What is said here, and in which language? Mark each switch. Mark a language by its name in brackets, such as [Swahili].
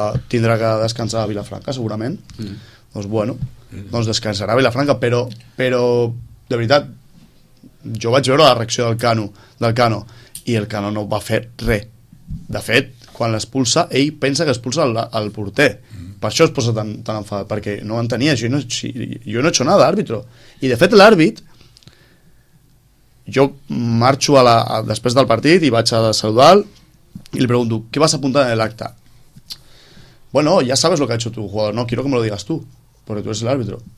[Catalan] tindrà que descansar a Vilafranca, segurament. Doncs bueno, doncs descansarà a Vilafranca, però de veritat, jo vaig veure la reacció del Cano, i el Cano no va fer res. De fet, quan l'expulsa, ell pensa que expulsa el porter. Per això es posa tan enfadat, perquè no ho entenia. [Spanish] Jo no he hecho nada, árbitro. [Catalan] I de fet, l'àrbit, jo marxo després del partit i vaig a saludar-lo i li pregunto, què vas apuntar en l'acte? [Spanish] Bueno, ya sabes lo que ha hecho tu jugador, no quiero que me lo digas tú, porque tú eres el árbitro.